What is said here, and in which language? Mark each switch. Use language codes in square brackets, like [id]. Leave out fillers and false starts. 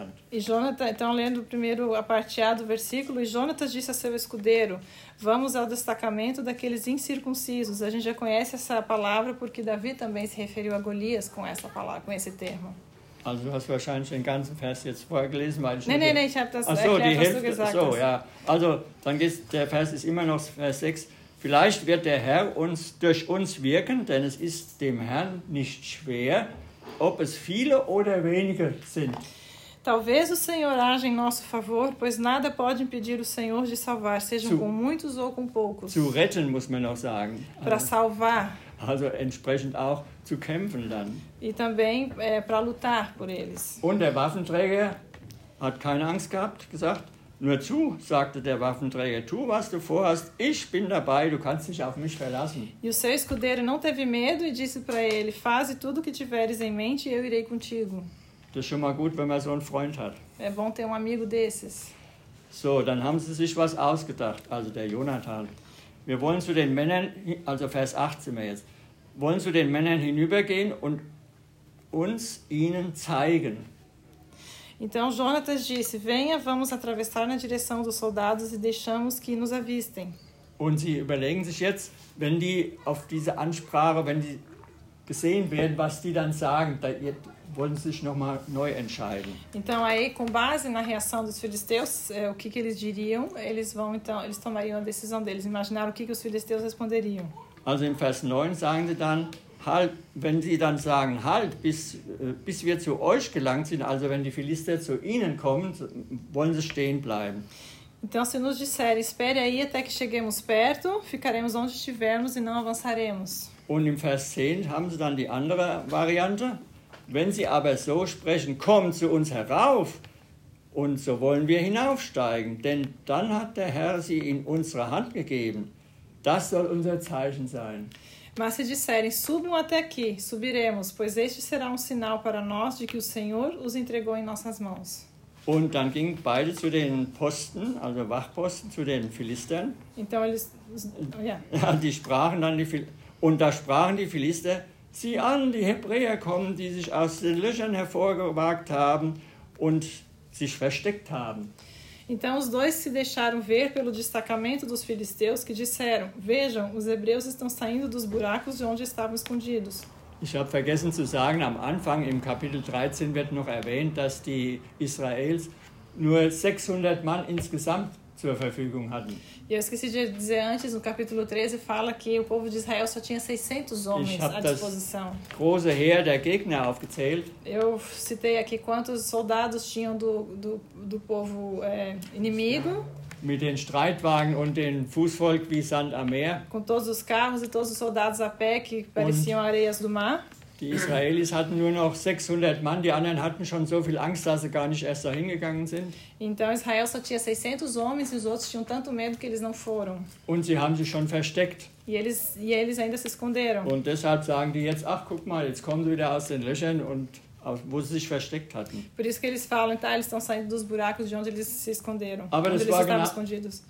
[pt] E Jonathan, então lendo primeiro a parte A do versículo, e Jonathan disse a seu escudeiro: Vamos ao destacamento daqueles incircuncisos. A gente já conhece essa palavra porque Davi também se referiu a Golias com essa palavra, com esse termo. [de] Also, du hast wahrscheinlich den ganzen Vers jetzt vorgelesen, weil ich nein, ich habe das erklärt, so, die Hälfte, was du gesagt so, hast. Ja. Also, dann geht der Vers ist immer noch Vers 6. Vielleicht wird der Herr uns durch uns wirken, denn es ist dem Herrn nicht schwer. Ob es viele oder wenige sind. [pt] Talvez o Senhor haja em nosso favor, pois nada pode impedir o Senhor de salvar, sejam com muitos ou com poucos. [de] Zu retten, muss man auch sagen. [pt] Para salvar. [de] Also entsprechend auch zu kämpfen dann. [pt] E também para lutar por eles. [de] Und der Waffenträger hat keine Angst gehabt, gesagt, nur zu, sagte der Waffenträger, tu, was du vorhast, ich bin dabei, du kannst dich auf mich verlassen. [pt] E o seu escudeiro não teve medo e disse para ele, faze tudo o que tiveres em mente e eu irei contigo. [de] Das ist schon mal gut, wenn man so einen Freund hat. [pt] É bom ter amigo desses. [de] So, dann haben sie sich was ausgedacht, also der Jonathan. Wir wollen zu den Männern, also Vers 8 sind wir jetzt, wollen zu den Männern hinübergehen und uns ihnen zeigen. [pt] Então Jonathan disse, venha, vamos atravessar na direção dos soldados e deixamos que nos avistem. [de] Und sie überlegen sich jetzt, wenn die auf diese Ansprache, wenn die gesehen werden, was die dann sagen, da wollen sie sich nochmal neu entscheiden. [pt] Então aí, com base na reação dos filisteus, o que que eles diriam, eles tomariam a decisão deles, imaginaram o que que os filisteus responderiam. [de] Also im Vers 9 sagen sie dann, halt, wenn sie dann sagen, halt, bis wir zu euch gelangt sind, also wenn die Philister zu ihnen kommen, wollen sie stehen bleiben. [pt] Então, se nos disser, espere aí até que cheguemos perto, ficaremos onde estivermos e não avançaremos. [de] Und im Vers 10 haben sie dann die andere Variante. Wenn sie aber so sprechen, komm zu uns herauf, und so wollen wir hinaufsteigen, denn dann hat der Herr sie in unsere Hand gegeben. Das soll unser Zeichen sein. [pt] Mas se disserem, subam até aqui, subiremos, pois este será um sinal para nós de que o Senhor os entregou em nossas mãos. [de] Und dann gingen beide zu den Posten, also Wachposten, zu den Philistern. [pt] Então eles, ja. [de] Die sprachen dann die und da sprachen die Philister: Sieh an, die Hebräer kommen, die sich aus den Löchern hervorgewagt haben und sich versteckt haben. [pt] Então os dois se deixaram ver pelo destacamento dos filisteus que disseram: Vejam, os hebreus estão saindo dos buracos de onde estavam escondidos. [de] Ich habe vergessen zu sagen, am Anfang im Kapitel 13 wird noch erwähnt, dass die Israels nur 600 Mann insgesamt zur Verfügung hatten. [pt] E eu esqueci de dizer antes, no capítulo 13 fala que o povo de Israel só tinha 600 homens à disposição. [de] Das große Heer der Gegner aufgezählt. [pt] Eu citei aqui quantos soldados tinham do povo inimigo. [de] Mit den Streitwagen und dem Fußvolk wie Sand am Meer. [pt] Com todos os carros e todos os soldados a pé que pareciam areias do mar. [de] Die Israelis hatten nur noch 600 Mann, die anderen hatten schon so viel Angst, dass sie gar nicht erst dahin gegangen sind. [pt] Então Israel só tinha 600 homens e os outros tinham tanto medo que eles não foram. [de] Und sie haben sich schon versteckt. [pt] E eles ainda se esconderam. [de] Und deshalb sagen die jetzt: Ach, guck mal, jetzt kommen sie wieder aus den Löchern und wo sie sich versteckt hatten. [pt] Por isso que eles falam, tá, eles estão saindo dos buracos de onde eles se esconderam. [de] Aber [pt] onde [de] das [pt] eles war estavam escondidos.